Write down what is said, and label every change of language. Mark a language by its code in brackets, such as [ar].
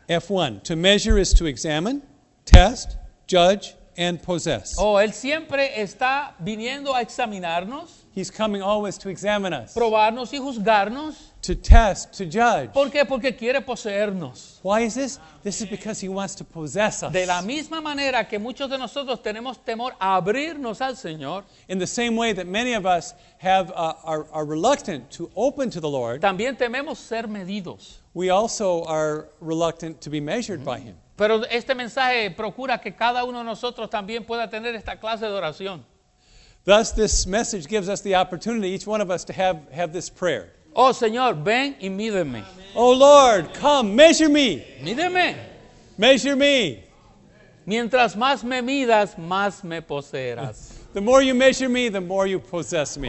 [en] F1, to measure is to examine, test, judge, and possess. [es] Oh, él siempre está viniendo a examinarnos. [en] He's coming always to examine us. [es] Probarnos y juzgarnos. [en] To test, to judge. [es] ¿Por qué? Porque quiere poseernos. [en] Why is this? This is because he wants to possess us. [es] De la misma manera que muchos de nosotros tenemos temor a abrirnos al Señor. [en] In the same way that many of us have are reluctant to open to the Lord. [es] También tememos ser medidos. [en] We also are reluctant to be measured by him. [es] Pero este mensaje procura que cada uno de nosotros también pueda tener esta clase de oración. [en] Thus, this message gives us the opportunity, each one of us, to have this prayer. [es] Oh, Señor, ven y mídeme. [en] Oh, Lord, come, measure me. [es] Mídeme. [en] Measure me. [es] Mientras más me midas, más me poseerás. [en] The more you measure me, the more you possess me.